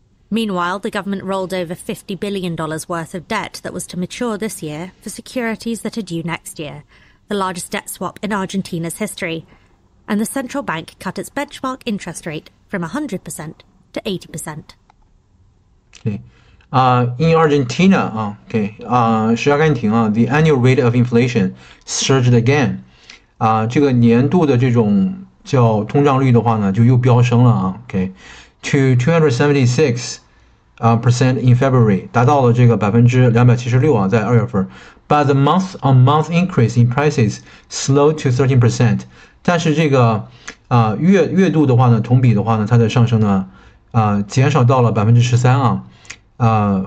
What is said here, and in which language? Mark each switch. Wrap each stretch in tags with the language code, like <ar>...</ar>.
<en>Meanwhile, the government rolled over $50 billion worth of debt that was to mature this year for securities that are due next year, the largest debt swap in Argentina's history. And the central bank cut its benchmark interest rate from 100% to 80%. Okay. In Argentina, the annual rate of inflation surged again.</en> <zh>这个年度的这种叫通胀率的话呢，就又飙升了啊。</zh> <en>Okay. To 276% in February,</en> <zh>达到了这个276%啊，在二月份。</zh> <en>But the month-on-month increase in prices slowed to 13%.</en> <zh>但是这个月度的话呢，同比的话呢，它的上升呢，减少到了13%啊。</zh>